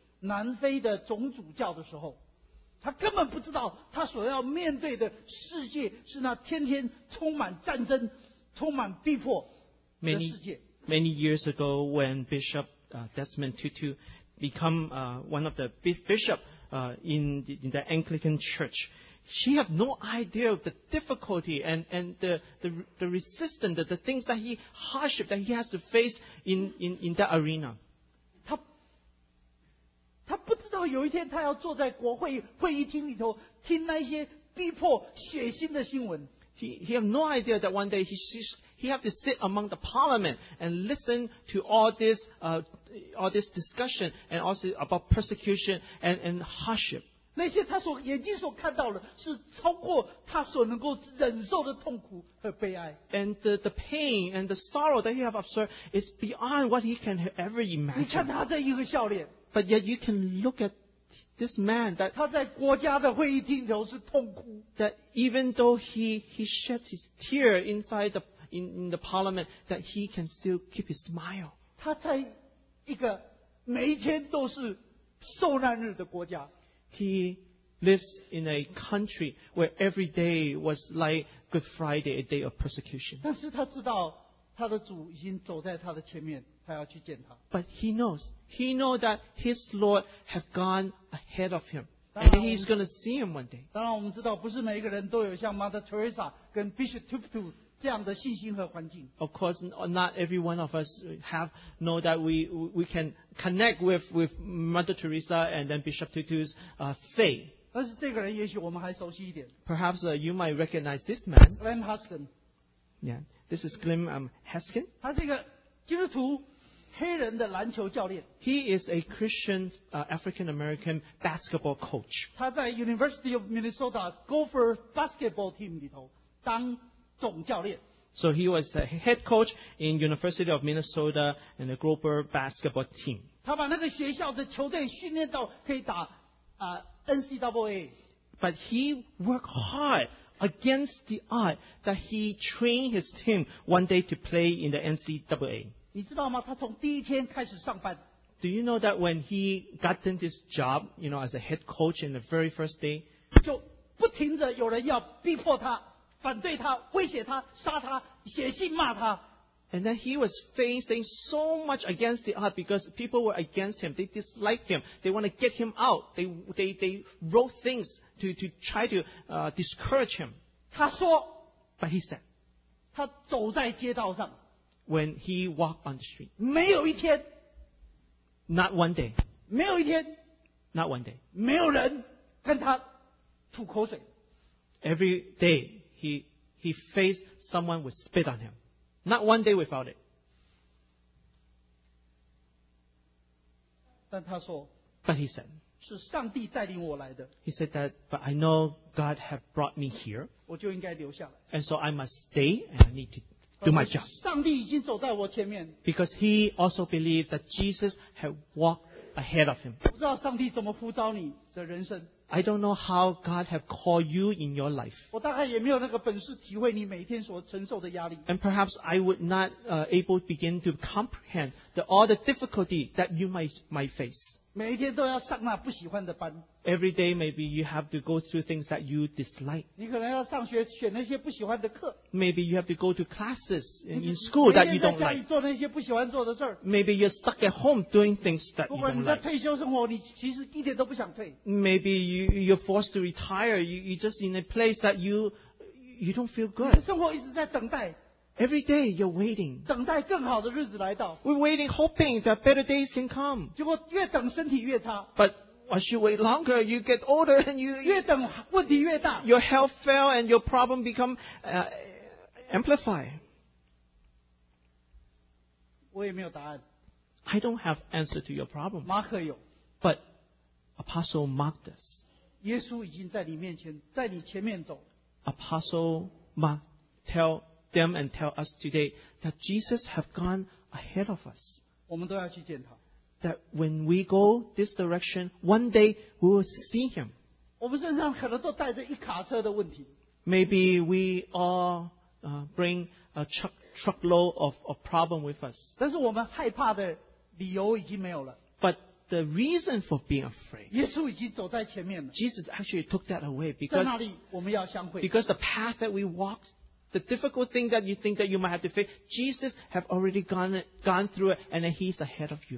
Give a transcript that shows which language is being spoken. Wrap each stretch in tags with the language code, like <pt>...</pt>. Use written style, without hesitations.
<zh>南非的总主教的时候，他根本不知道他所要面对的世界是那天天充满战争、充满逼迫的世界。</zh> <en>Many years ago, when Bishop Desmond Tutu became one of the bishop in the Anglican Church, she had no idea of the difficulty and the resistance, the things that hardship that he has to face in that arena.</en> <zh>他不知道有一天他要坐在国会会议厅里头听那些逼迫血腥的新闻。</zh> <en>He have no idea that one day he have to sit among the parliament and listen to all this discussion and also about persecution and hardship.</en> <zh>那些他所眼睛所看到的是超过他所能够忍受的痛苦和悲哀。</zh> <en>And the pain and the sorrow that he have observed is beyond what he can ever imagine.</en> <zh>你看他这一个笑脸。</zh> <en>But yet you can look at this man that</en> <zh>他在国家的会议厅头是痛哭。</zh> <en>That even though he shed his tear inside the parliament, that he can still keep his smile.</en> <zh>他在一个每一天都是受难日的国家。</zh> <en>He lives in a country where every day was like Good Friday, a day of persecution.</en> <zh>但是他知道他的主已经走在他的前面。他要去见他。</zh> <en>But he knows that his Lord have gone ahead of him, and he's going to see him one day.</en> <zh>当然我们知道不是每一个人都有像 Mother Teresa 跟 Bishop Tutu 这样的信心和环境。</zh> <en>Of course, not every one of us know that we can connect with Mother Teresa and then Bishop Tutu's faith.</en> <zh>但是这个人也许我们还熟悉一点。</zh> <en>Perhaps you might recognize this man. Glenn Huskin. Yeah, this is Glenn Huskin.</en> <zh>他是一个基督徒黑人的篮球教练。</zh> <en>He is a Christian African American basketball coach.</en> <zh>他在 University of Minnesota Gopher basketball team 里头当总教练。</zh> <en>So he was the head coach in University of Minnesota and the Gopher basketball team.</en> <zh>他把那个学校的球队训练到可以打NCAA.</zh> <en>But he worked hard against the odds that he trained his team one day to play in the NCAA.</en> <zh>你知道吗？他从第一天开始上班。</zh> <en>Do you know that when he gotten this job, you know, as a head coach in the very first day,</en> <zh>就不停的有人要逼迫他、反对他、威胁他、杀他、写信骂他。</zh> <en>And then he was facing so much against the art because people were against him. They disliked him. They want to get him out. They wrote things to try to discourage him.</en> <zh>他说</zh> <en>，But he said,</en> <zh>他走在街道上。</zh> <en>When he walked on the street.</en> <zh>没有一天,</zh> <en>not one day.</en> <zh>没有一天,</zh> <en>not one day.</en> <zh>没有人跟他吐口水。</zh> <en>Every day he faced someone with spit on him. Not one day without it.</en> <zh>但他说,</zh> <en>but he said,</en> <zh>是上帝带领我来的。</zh> <en>He said that, but I know God have brought me here.</en> <zh>我就应该留下来。</zh> <en>And so I must stay and I need to. Do my job.</en> <zh>上帝已经走在我前面。</zh> <en>Because he also believed that Jesus had walked ahead of him.</en> <zh>不知道上帝怎么呼召你的人生。</zh> <en>I don't know how God have called you in your life.</en> <zh>我大概也没有那个本事体会你每天所承受的压力。</zh> <en>And perhaps I would not able begin to comprehend all the difficulty that you might face.</en> <zh>每一天都要上那不喜欢的班。</zh> <en>Every day, maybe you have to go through things that you dislike.</en> <zh>你可能要上学选那些不喜欢的课。</zh> <en>Maybe you have to go to classes in school that you don't like.</en> <zh>每天在家里做那些不喜欢做的事儿。</zh> <en>Maybe you're stuck at home doing things that you don't like.</en> <zh>不管你在退休生活，你其实一点都不想退。</zh> <en>Maybe you're forced to retire. You just in a place that you don't feel good.</en> <zh>你的生活一直在等待。</zh> <en>Every day you're waiting.</en> <zh>等待更好的日子来到。</zh> <en>We're waiting, hoping that better days can come.</en> <zh>结果越等身体越差。</zh> <en>But as you wait longer, you get older and you</en> <zh>越等问题越大。</zh> <en>Your health fail and your problem become amplified.</en> <zh>我也没有答案。</zh> <en>I don't have answer to your problem.</en> <zh>马可有。</zh> <en>But Apostle Mark does.</en> <zh>耶稣已经在你面前，在你前面走。</zh> <en>Apostle Mark tell them and tell us today that Jesus have gone ahead of us.</en> <zh>我们都要去见他。</zh> <en>That when we go this direction, one day we will see him.</en> <zh>我们身上可能都带着一卡车的问题。</zh> <en>Maybe we all bring a truckload of problem with us.</en> <zh>但是我们害怕的理由已经没有了。</zh> <en>But the reason for being afraid. Jesus actually took that away because the path that we walked, the difficult thing that you think that you might have to face, Jesus has already gone through it, and then He's ahead of you.</en>